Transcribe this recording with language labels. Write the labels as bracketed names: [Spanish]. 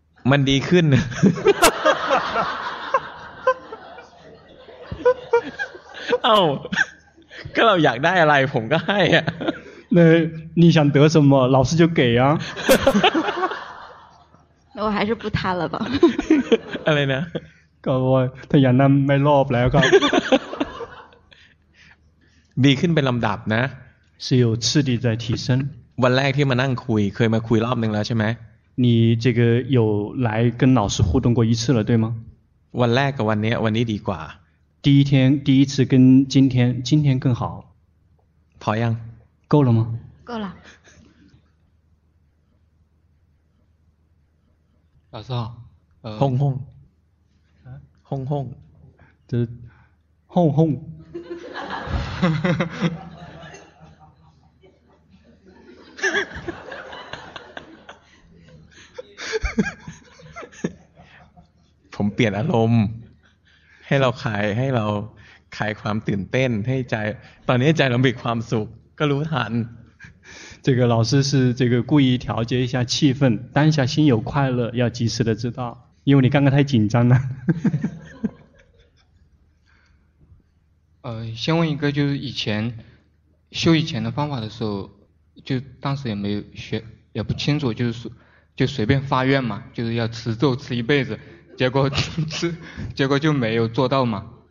[Thai] มันดีขึ้น เอ้าก็เราอยากได้อะไรผมก็ให้อ่ะเ [Chinese] ลย你想得什么老师就给啊那我还是不贪了吧 [Thai] อะไรนะ ก็ว่าถ้าอย่างนั้นไม่รอบแล้วก็ดีขึ้นเป็นลำดับนะ [Chinese] 是有次第在提升 [Thai] วันแรกที่มานั่งคุยเคยมาคุยรอบนึงแล้วใช่ไหม [Chinese] 你这个有来跟老师互动过一次了对吗 [Thai] วันแรกกับวันนี้วันนี้ดีกว่า [Chinese] 第一天第一次跟今天今天更好 [Thai] พอยัง [Chinese] 够了吗够了老师好轰轰轰轰这轰轰 [Thai] ผมเปลี่ยนอารมณ์ให้เราคลายให้เราคลายความตื่นเต้นให้ใจตอนนี้ใจเรามีความสุขก็รู้ทัน [Chinese] 这个老师是这个故意调节一下气氛当下心有快乐要及时的知道因为你刚刚太紧张了先问一个就是以前修以前的方法的时候就当时也没有学也不清楚就是就随便发愿嘛就是要吃肉吃一辈子结果就没有做到嘛